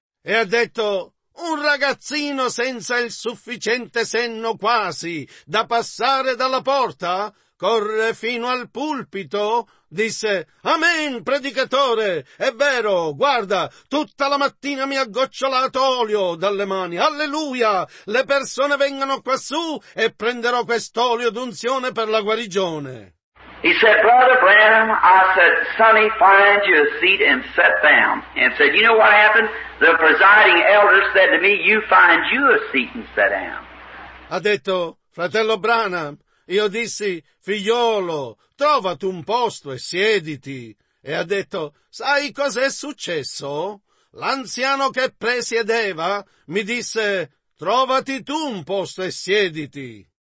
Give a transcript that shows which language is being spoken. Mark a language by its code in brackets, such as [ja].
[it] E ha detto, un ragazzino senza il sufficiente senno quasi da passare dalla porta, corre fino al pulpito, disse, amen, predicatore, è vero, guarda, tutta la mattina mi ha gocciolato olio dalle mani, alleluia, le persone vengano quassù e prenderò quest'olio d'unzione per la guarigione. [en] He said, Brother Branham, I said, Sonny, find you a seat and sit down. And said, you know what happened? The presiding elder said to me, you find you a seat and sit down. [it] Ha detto, fratello Branham, io dissi, figliolo, trovati un posto e siediti. E ha detto, sai cos'è successo? L'anziano che presiedeva mi disse, trovati tu un posto e siediti.